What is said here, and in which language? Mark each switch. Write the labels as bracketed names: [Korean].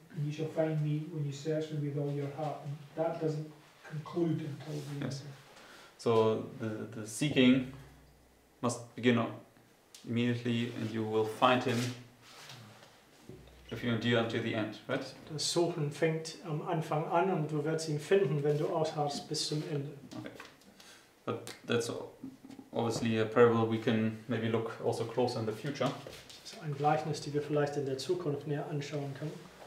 [English] And you shall find me when you search me with all your heart. And that doesn't conclude until the end. Yes. So the seeking must begin immediately, and you will find him if you endure until the end, right? [German] Das Suchen fängt am Anfang an, und du wirst ihn finden, wenn du ausharrst bis zum Ende. [English] Okay. But that's obviously a parable we can maybe look also closer in the future. [German] Das ist ein Gleichnis, die wir vielleicht in der Zukunft näher anschauen können.